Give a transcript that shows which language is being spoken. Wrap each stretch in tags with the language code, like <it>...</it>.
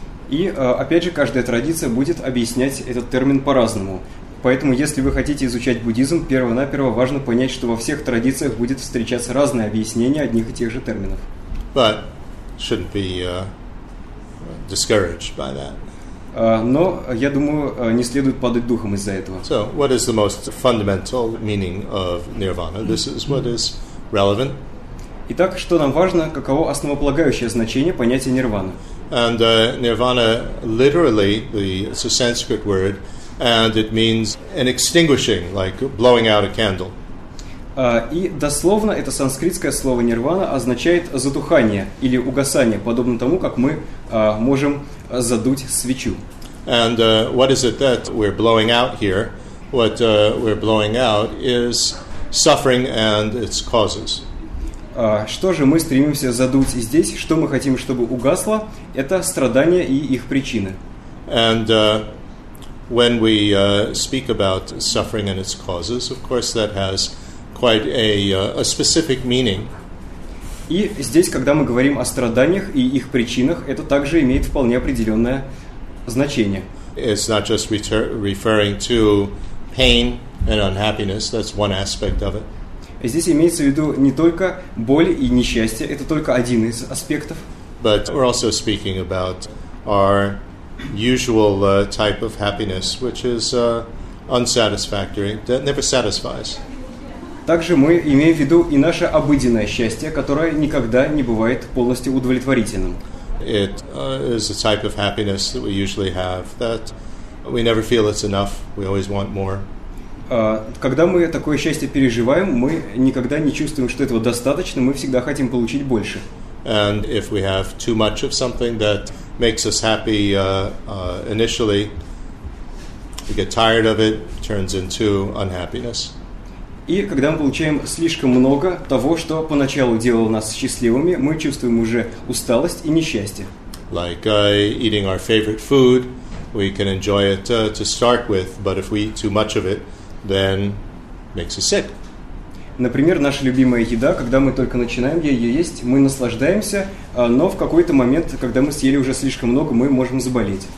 <ru>И опять же, каждая традиция будет объяснять этот термин по-разному. Поэтому, если вы хотите изучать буддизм, перво-наперво важно понять, что во всех традициях будет встречаться разное объяснение одних и тех же терминов.</ru> <en>But shouldn't be discouraged by that.</en> <ru>Но, я думаю, не следует падать духом из-за этого.</ru> <en>So, what is the most fundamental meaning of nirvana? This is what is relevant.</en> <ru>Итак, что нам важно, каково основополагающее значение понятия нирвана?</ru> <en>And nirvana literally, it's a Sanskrit word, and it means an extinguishing, like blowing out a candle.</en> <ru>И дословно это санскритское слово нирвана означает затухание или угасание, подобно тому, как мы можем задуть свечу.</ru> <en>And what is it that we're blowing out here? What we're blowing out is suffering and its causes.</en> <ru>Что же мы стремимся задуть здесь? Что мы хотим, чтобы угасло? Это страдания и их причины.</ru> <en>And when we speak about suffering and its causes, of course, that has quite a specific meaning.</en> <ru>И здесь, когда мы говорим о страданиях и их причинах, это также имеет вполне определенное значение.</ru> <en>It's not just referring to pain and unhappiness. That's one aspect of it.</en> <ru>Здесь имеется в виду не только боль и несчастье, это только один из аспектов.</ru> <en>But we're also speaking about our usual type of happiness, which is unsatisfactory, that never satisfies.</en> <ru>Также мы имеем в виду и наше обыденное счастье, которое никогда не бывает полностью удовлетворительным.</ru> <en>It is a type of happiness that we usually have, that we never feel it's enough, we always want more.</en> <ru>Когда мы такое счастье переживаем, мы никогда не чувствуем, что этого достаточно, мы всегда хотим получить больше.</ru> <en>And if we have too much of something that makes us happy initially, we get tired of it, turns into unhappiness.</en> <ru>И когда мы получаем слишком много того, что поначалу делало нас счастливыми, мы чувствуем уже усталость и несчастье.</ru> <en>Like eating our favorite food, we can enjoy it to start with, but if we eat too much of it, then makes us sick.</en> <ru>Например, наша любимая еда, когда мы только начинаем ее есть, мы наслаждаемся, но в какой-то момент, когда мы съели уже слишком много, мы можем заболеть.</ru>